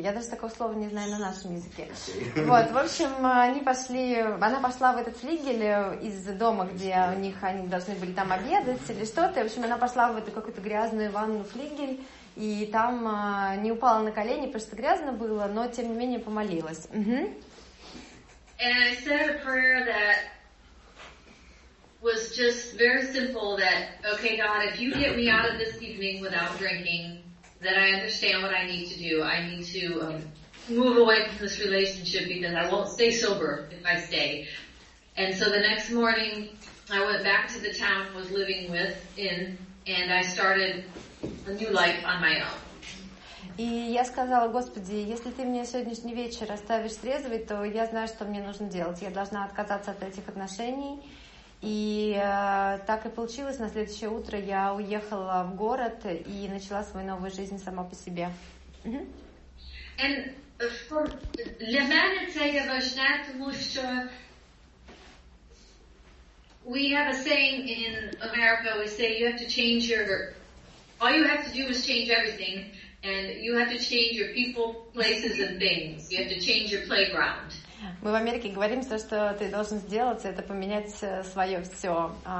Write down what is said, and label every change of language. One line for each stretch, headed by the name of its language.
Russian: Я даже такого слова не знаю на нашем языке. Вот, в общем, они пошли... Она пошла в этот флигель из дома, где у них они должны были там обедать или что-то. В общем, она пошла в эту какую-то грязную ванну флигель, и там не упала на колени, потому что грязно было, но, тем не менее, помолилась. Mm-hmm.
English: And I said a prayer that was just very simple, that, okay, God, if you get me out of this evening without drinking, then I understand what I need to do. I need to move away from this relationship because I won't stay sober if I stay. And so the next morning, I went back to the town I was living with in, and I started a new life on my own.
Russian: И я сказала, Господи, если ты мне сегодняшний вечер оставишь трезвый, то я знаю, что мне нужно делать. Я должна отказаться от этих отношений. И так и получилось. На следующее утро я уехала в город и начала свою новую жизнь сама по себе.
English: And for
Russian: для меня это важно, потому что
English: we have a saying in America. We say you have to change your. All you have to do is change everything, and you have to change your people, places, and things. You have to change your playground.
Russian: Мы в Америке говорим, что, что ты должен сделать, это поменять свое все.